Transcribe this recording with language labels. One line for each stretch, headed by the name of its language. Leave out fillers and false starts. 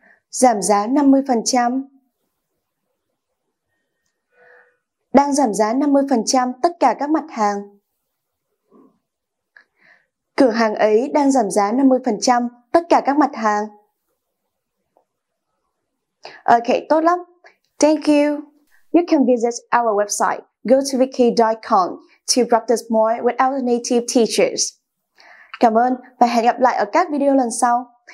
Vietnamese: Giảm giá 50%. Đang giảm giá 50% tất cả các mặt hàng. Cửa hàng ấy đang giảm giá 50% tất cả các mặt hàng. Ok, tốt lắm.
English: Thank you. You can visit our website, gotovicky.com, to practice more with our native teachers.
Vietnamese: Cảm ơn và hẹn gặp lại ở các video lần sau.